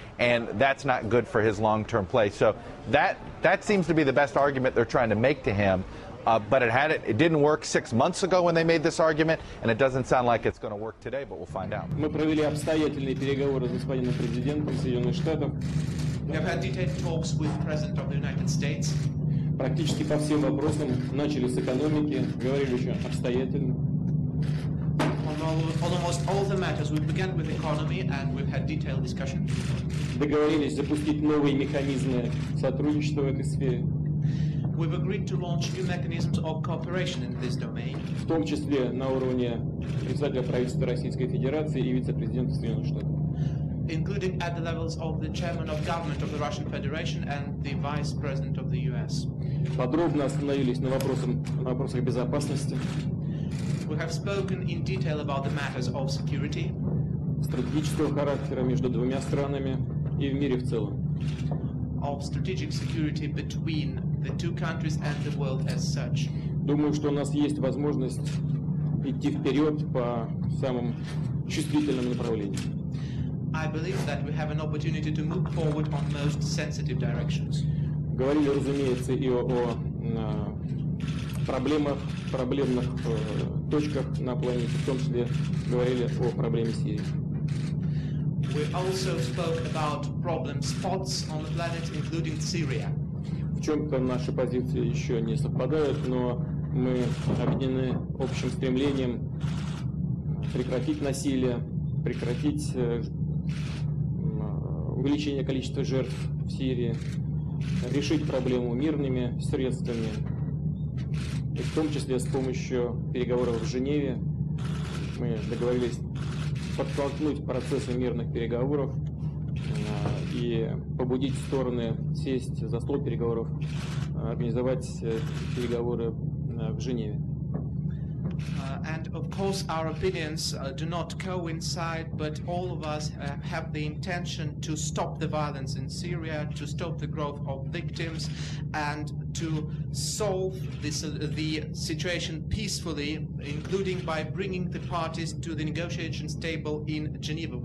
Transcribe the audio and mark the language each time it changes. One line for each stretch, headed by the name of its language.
English: And that's not good for his long-term play. So that seems to be the best argument they're trying to make to him. But it didn't work 6 months ago when they made this argument, and it doesn't sound like it's going to work today, but we'll find out. We have had detailed talks with the President of the United States.
Russian: Практически по всем вопросам, начали с экономики, говорили еще обстоятельно.
English: On almost all the matters, we began with economy and we've had detailed discussions.
Russian: Договорились запустить новые механизмы сотрудничества в этой сфере.
English: We've agreed to launch new mechanisms of cooperation in this domain.
Russian: В том числе на уровне представителя правительства Российской Федерации и вице-президента Соединенных Штатов.
English: including at the levels of the chairman of government of the Russian Federation and the vice president of the US.
Russian: Подробно остановились на вопросах безопасности.
English: We have spoken in detail about the matters of security,
Russian: стратегического характера между двумя странами и в мире в целом.
English: Of strategic security between the two countries and the world as such.
Russian: Думаю, что у нас есть возможность идти вперед по самым чувствительным направлениям.
English: I believe that we have an opportunity to move forward on most sensitive directions.
Russian: Говорили, разумеется, и о проблемных точках на планете, в том числе говорили о проблеме Сирии.
English: We also spoke about problem spots on the planet, including Syria.
Russian: В чем-то наши позиции еще не совпадают, но мы объединены общим стремлением прекратить насилие, прекратить увеличение количества жертв в Сирии, решить проблему мирными средствами, и в том числе с помощью переговоров в Женеве. Мы договорились подтолкнуть процессы мирных переговоров и побудить стороны сесть за стол переговоров, организовать переговоры в Женеве.
English: And of course our opinions do not coincide, but all of us have the intention to stop the violence in Syria, to stop the growth of victims, and to solve this, the situation peacefully, including by bringing the parties to the negotiations table in Geneva.